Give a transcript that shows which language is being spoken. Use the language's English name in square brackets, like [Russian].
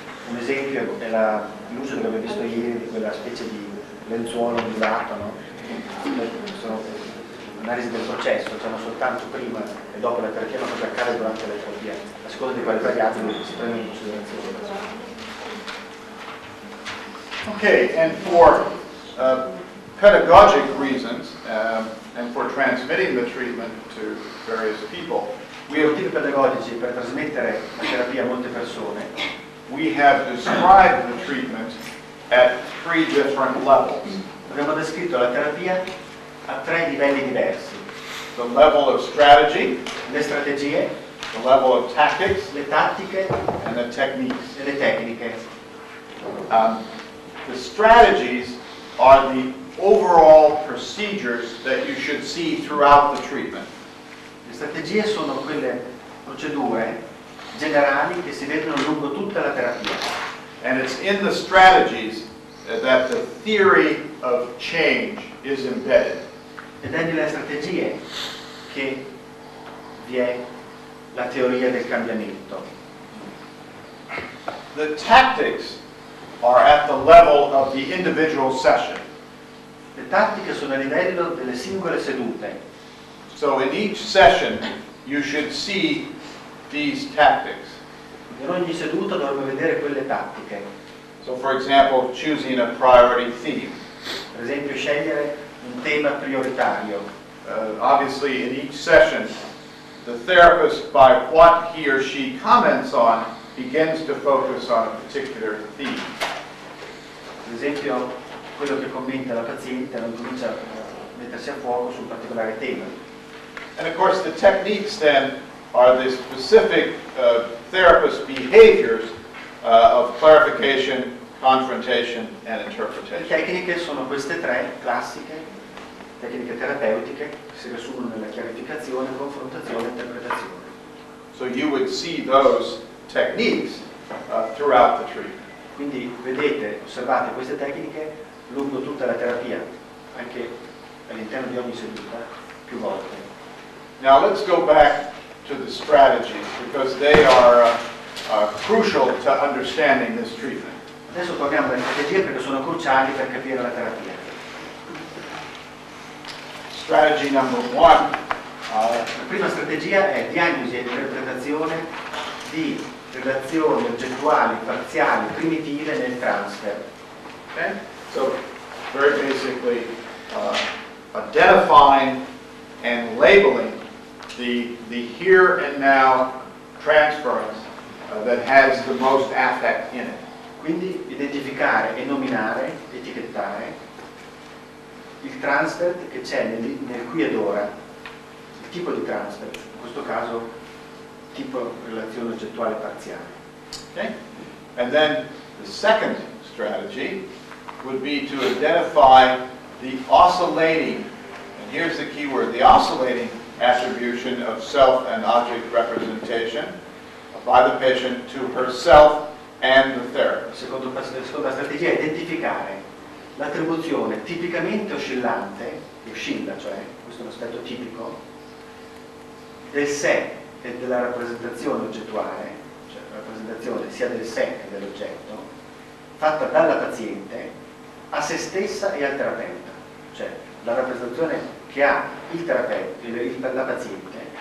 [Italian] Un esempio è l'uso che abbiamo visto ieri di quella specie di lenzuolo ondulato, no? Sono un'analisi del processo, c'è cioè soltanto prima e dopo la terapia, ma cosa accade durante la terapia, a seconda di quali variabili si prendono in considerazione. [English] Ok, and for pedagogic reasons and for transmitting the treatment to various people, we have [Italian] motivi pedagogici per trasmettere la terapia a molte persone. [English] We have described the treatment at three different levels. [Italian] Abbiamo descritto la terapia a tre livelli diversi. [English] The level of strategy, [Italian] le strategie, [English] the level of tactics, [Italian] le tattiche, [English] and the techniques, [Italian] e le tecniche. [English] The strategies are the overall procedures that you should see throughout the treatment. [Italian] Le strategie sono quelle procedure generali che si vedono lungo tutta la terapia. [English] And it's in the strategies that the theory of change is embedded. [Italian] Ed è nelle strategie che vi è la teoria del cambiamento. [English] The tactics are at the level of the individual session. [Italian] Le tattiche sono a livello delle singole sedute. [English] So in each session you should see these tactics. [Italian] In ogni seduta dovremmo vedere quelle tattiche. [English] So for example, choosing a priority theme. [Italian] Per esempio, scegliere un tema prioritario. [English] Obviously in each session the therapist, by what he or she comments on, begins to focus on a particular theme. [Italian] Per esempio, quello che commenta la paziente non comincia a mettersi a fuoco su un particolare tema. [English] And of course the techniques then are the specific therapist behaviors of clarification, confrontation, and interpretation. [Italian] Le tecniche sono queste tre classiche tecniche terapeutiche che si riassumono nella chiarificazione, confrontazione e interpretazione. [English] So you would see those techniques throughout the treatment. [Italian] Quindi vedete, osservate queste tecniche lungo tutta la terapia, anche all'interno di ogni seduta, più volte. [English] Now let's go back to the strategies, because they are crucial to understanding this treatment. [Italian] Adesso torniamo alle strategie perché sono cruciali per capire la terapia. [English] Strategy number one. [Italian] La prima strategia è diagnosi e interpretazione di relazioni oggettuali, parziali, primitive nel transfer. [English] Okay? So, very basically, identifying and labeling the here and now transference that has the most affect in it. [Italian] Quindi identificare e nominare, etichettare il transfer che c'è nel qui ed ora, il tipo di transfer, in questo caso tipo relazione oggettuale parziale. [English] Okay? And then the second strategy would be to identify the oscillating, and here's the key word, the oscillating attribution of self and object representation by the patient to herself and the therapist. [Italian] La seconda strategia è identificare l'attribuzione tipicamente oscillante, oscilla, cioè questo è un aspetto tipico, del sé e della rappresentazione oggettuale, cioè rappresentazione sia del sé che dell'oggetto, fatta dalla paziente a se stessa e al terapeuta, cioè la rappresentazione che ha il terapeuta, la paziente.